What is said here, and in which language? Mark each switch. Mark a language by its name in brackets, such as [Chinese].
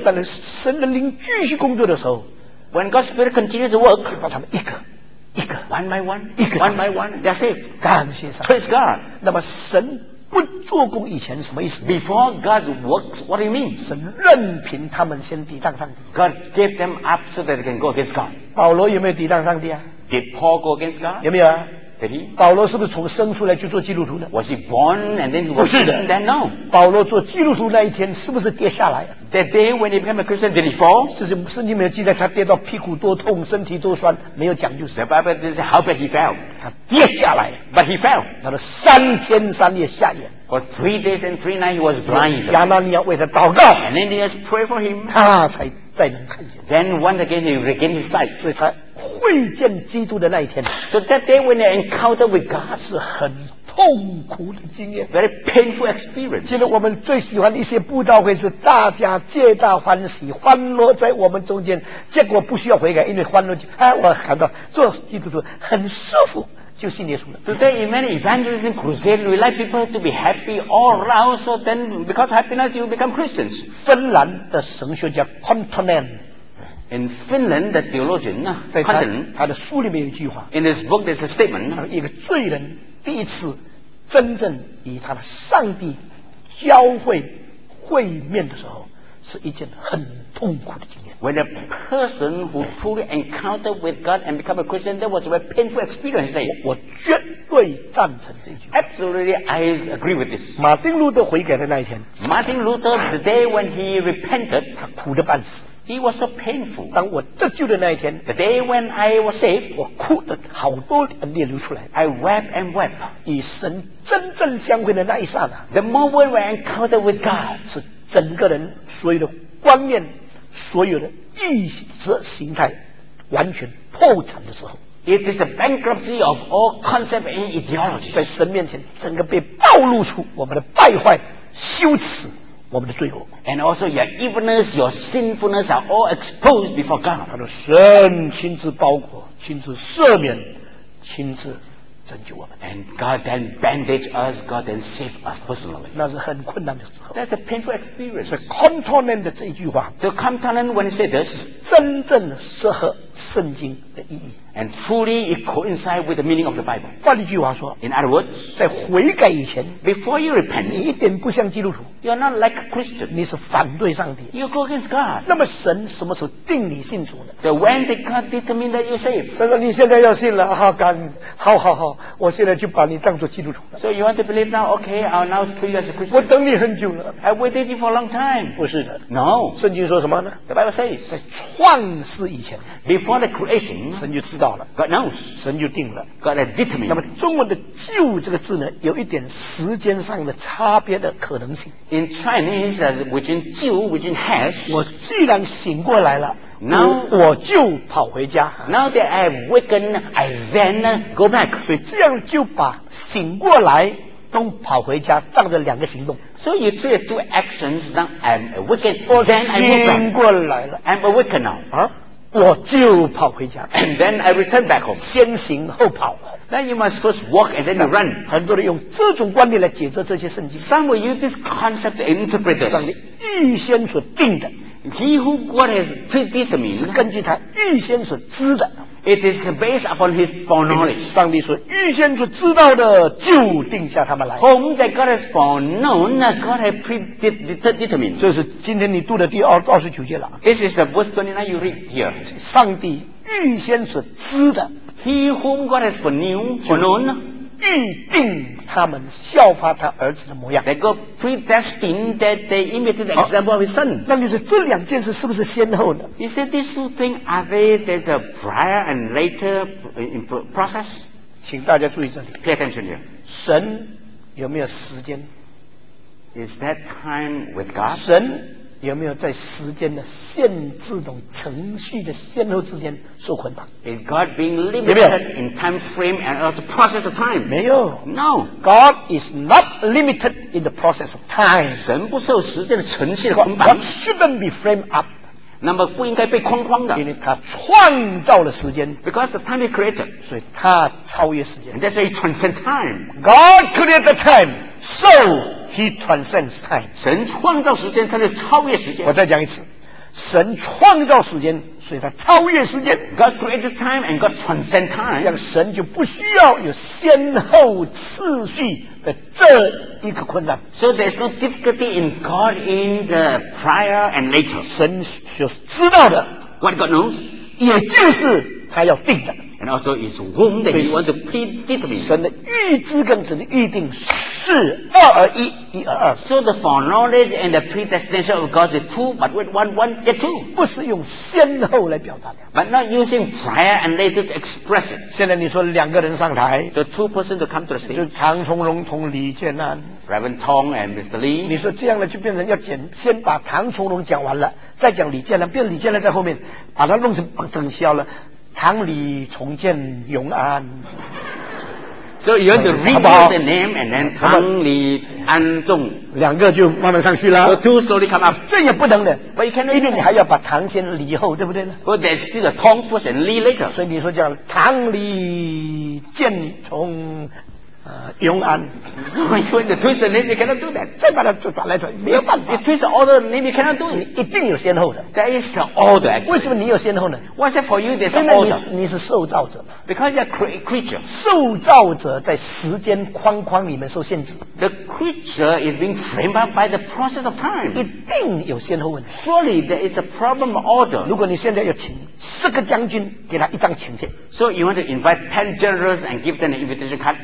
[Chinese] 但是神的灵继续工作的时候 [English] When God's spirit continues to work, [Chinese] 就把他们一个一个 [English] One by one. [Chinese] 一个 [English] One by one. They're saved. [Chinese] 感谢上帝 [English] Praise God. [Chinese] 那么神不做工以前什么意思 [English] Before God works, what do you mean? [Chinese] 神任凭他们先抵挡上帝 [English] God gave them up so that they can go against God. [Chinese] 保罗有没有抵挡上帝啊 [English] Did Paul go against God? [Chinese] 有没有啊 [English] Did he? [Chinese] 保罗是不是从生出来就做基督徒呢 [English] ？Was he born and then he was Christian? Then no. [Chinese] 保罗做基督徒那一天是不是跌下来 [English] ？That day when he became a Christian, did he fall? [Chinese] 是是，圣经没有记载他跌到屁股多痛，身体多酸，没有讲究。 [English] The Bible doesn't say how bad he fell. [Chinese] 他跌下来 [English] ，but he fell. [Chinese] 他说三天三夜瞎眼。 [English] For three days and three nights he was blind. [Chinese] 亚拿尼亚为他祷告 [English] ，and then he has prayed for him. [Chinese] 他才再能看见。 [English] Then once again he regained his sight. [Chinese] 所以他。会见基督的那一天 [English] ，So that day when they encounter with God [Chinese] 是很痛苦的经验 [English] ，very painful experience。 [Chinese] 其实我们最喜欢的一些布道会是大家皆大欢喜，欢乐在我们中间，结果不需要悔改，因为欢乐就哎，我感到做基督徒很舒服。就信耶稣了。 [English] Today in many evangelism crusades, we like people to be happy all around. So then, because happiness, you become Christians. [Chinese] 芬兰的神学家 Kontonen。 [English] In Finland, the theologian, [Chinese] 在 他的书里面有一句话 [English] In his book, there's a statement. [Chinese] 他说一个罪人第一次真正与他的上帝交会会面的时候是一件很痛苦的经验 [English] When a person who truly encountered with God and become a Christian, that was a very painful experience. [Chinese] 我绝对赞成这句 [English] Absolutely, I agree with this. [Chinese] 马丁路德悔改的那一天 [English] Martin Luther, the day when he repented, [Chinese] 他哭得半死 [English] It was so painful. [Chinese] 当我得救的那一天 [English] ，The day when I was saved， [Chinese] 我哭的好多眼泪流出来。 [English] I wept and wept。 [Chinese] 与神真正相会的那一刹那 [English] ，The moment when I encountered with God， [Chinese] 是整个人所有的观念、所有的意识形态完全破产的时候。 [English] It is a bankruptcy of all concept and ideology。 [Chinese] 在神面前，整个被暴露出我们的败坏、羞耻。我们的罪恶 [English] and also your evilness, your sinfulness are all exposed before God. [Chinese] 他的神亲自包裹，亲自赦免，亲自拯救我们。 [English] And God then bandaged us, God then saved us personally. [Chinese] 那是很困难的时候。 [English] That's a painful experience. [Chinese] 是 contonent 的这一句话。 [English] So contonent when he said this, [Chinese] 真正适合圣经的意义。 [English] And truly it coincides with the meaning of the Bible. [Chinese] 换一句话说 [English] ，In other words, [Chinese] 在悔改以前 [English] ，Before you repent, [Chinese] 你一点不像基督徒。 [English] You're not like a Christian. [Chinese] 你是反对上帝。 [English] You go against God. [Chinese] 那么神什么时候定你信主呢 [English] ？So when did God determine that you're saved? [Chinese] 神说你现在要信了，好干，好好好，我现在就把你当作基督徒。 [English] So you want to believe now? Okay, I'll now treat you as a Christian. [Chinese] 我等你很久了。 [English] I waited you for a long time. [Chinese] 不是的。 [English] No. [Chinese] 圣经说什么呢 [English] ？The Bible says, [Chinese] 在创世以前 [English] ，Before the creation, [Chinese] 神就知道。 [English] God knows, [Chinese] 神就定了。 [English] God has determined. [Chinese] 那么中文的旧这个字呢，有一点时间上的差别的可能性。 [English] In Chinese, which in 旧 which in has, [Chinese] 我既然醒过来了 [English] ，now [Chinese] 我就跑回家。 [English] Now that I waken, I then go back. [Chinese] 所以这样就把醒过来都跑回家当着两个行动。 [English] So you treat two actions. Now I'm awaken, then I go back. [Chinese] 醒过来了 [English] ，I'm awaken now. [Chinese] 啊。我就跑回家 [English] and then I return back home. [Chinese] 先行后跑 [English] then you must first walk and then you run. [Chinese] 很多人用这种观点来解释这些圣经 [English] some will use this concept to interpret this. [Chinese] 让你预先所定的 [English] he who God has predetermined [Chinese] 是根据他预先所知的 [English] it is based upon his foreknowledge. [Chinese] 上帝说预先所知道的就定下他们来 [English] whom that God has foreknown God has predetermined. [Chinese] 这是今天你读的第29节了 [English] this is the verse 29 you read here. [Chinese] 上帝预先所知的 [English] he whom God has foreknown [Chinese] 预定他们效法他儿子的模样 [English] They go predestined that they imitate the example of his son [Chinese] 那就是这两件事是不是先后呢 [English] You say these two things are they the prior and later process [Chinese] 请大家注意这里 [English] Pay attention here [Chinese] 神有没有时间 [English] Is that time with God [Chinese] 神有没有在时间的限制等程序的先后之间受捆绑 [English] Is God being limited in time frame and also process of time? [Chinese] 没有 [English] No God is not limited in the process of time [Chinese] 神不受时间的程序的捆绑 [English] God shouldn't be framed up [Chinese] 那么不应该被框框的因为他创造了时间 [English] Because the time he created [Chinese] 所以他超越时间 [English] And that's why he transcends time God created the time So He transcends time. [Chinese] 神创造时间，他就超越时间。我再讲一次，神创造时间，所以他超越时间。 [English] God created time and God transcends time. [Chinese] 像神就不需要有先后次序的这一个困难。 [English] So there's no difficulty in God in the prior and later. [Chinese] 神所知道的 [English] ，What God knows， [Chinese] 也就是他要定的。 [English] And also is whom that you want to predetermine. [Chinese] 神的预知跟神的预定是二而一，一而二。 [English] So the foreknowledge and the predestination of God is two, but with one, one is two. [Chinese] 不是用先后来表达的。 [English] But not using prior and later to express it. [Chinese] 现在你说两个人上台。 [English] So two persons to come to the stage. [Chinese] 就唐崇荣同李建安。 [English] Reverend Tong and Mr. Lee. [Chinese] 你说这样呢就变成要先把唐崇荣讲完了，再讲李建安，变成李建安在后面把他弄成整消了。唐李重建永安 [English] So you have to read the name and then 唐李安仲 [Chinese] 两个就慢慢上去了 [English] So two slowly come up [Chinese] 这也不能的 [English] But you cannot [Chinese] 因为你还要把唐先李后对不对 [English] Well there's still a Tong first and Lee later [Chinese] 所以你说叫唐李建重永安 [English] So you have to twist the name you cannot do that [Chinese] 再把它转来转没有办法 [English] You twist the order the name you cannot do [Chinese] 你一定有先后的 [English] That is the order、actually. [Chinese] 为什么你有先后呢 [English] What's that for you there's an order [Chinese] 你是受造者 [English] Because you're a creature [Chinese] 受造者在时间框框里面受限制 [English] The creature is being framed up by the process of time [Chinese] 一定有先后问题 [English] Surely there is a problem of order [Chinese] 如果你现在要请十个将军给他一张请帖 [English] So you want to invite 10 generals and give them an invitation card